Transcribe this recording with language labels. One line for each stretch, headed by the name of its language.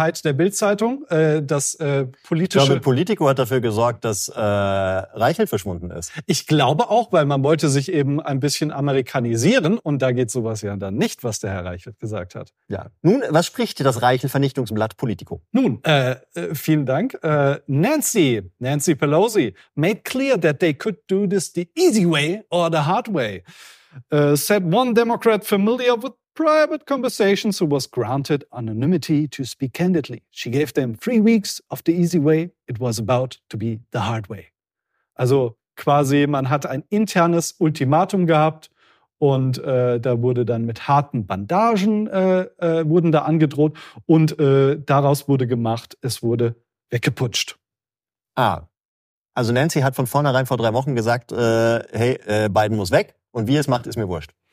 German: Hyde der Bild-Zeitung. Politische. Ich glaube, Politico hat dafür gesorgt, dass Reichelt verschwunden ist. Ich glaube auch, weil man wollte sich eben ein bisschen amerikanisieren. Und da geht sowas ja dann nicht, was der Herr Reichelt gesagt hat. Ja. Nun, was spricht das Reichelt-Vernichtungsblatt Politico? Nun, vielen Dank.
English: Nancy Pelosi made clear that they could do this the easy way or the hard way. Said one Democrat familiar with private conversations who was granted anonymity to speak candidly. She gave them 3 weeks of the easy way. It was about to be the hard way.
German: Also quasi, man hat ein internes Ultimatum gehabt und da wurde dann mit harten Bandagen wurden da angedroht und daraus wurde gemacht, es wurde weggeputscht. Ah, also Nancy hat von vornherein vor 3 Wochen gesagt, Biden muss weg und wie er es macht, ist mir wurscht.